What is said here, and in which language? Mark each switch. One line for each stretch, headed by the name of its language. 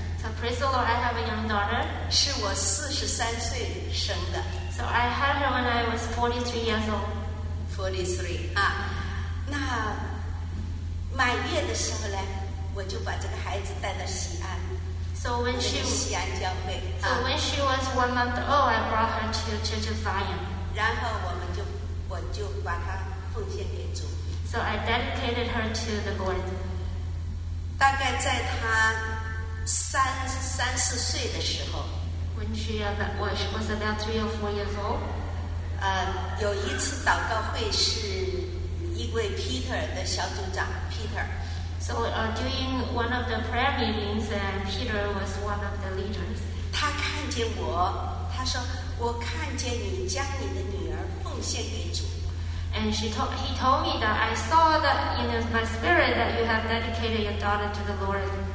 English: So praise the Lord, I have a young daughter.
Chinese: 是我43岁生的。
English: So I had her when I was 43 years old.
Chinese: 43啊，那满月的时候呢，我就把这个孩子带到西安。
English: So when she was
Chinese: 西安教会。
English: So when she was 1 month old, I brought her to Church of Zion.
Chinese: 然后我就把她奉献给主。
English: So I dedicated her to the Lord.
Chinese: 大概在她三四岁的时候。
English: When she was about 3 or 4 years old.
Chinese: 有一次祷告会是一位 Peter 的小组长 Peter.
English: So during one of the prayer meetings, Peter was one of the leaders.
Chinese: 他看见我，他说我看见你将你的女儿奉献给主。
English: And he told me that I saw that in my spirit that you have dedicated your daughter to the Lord.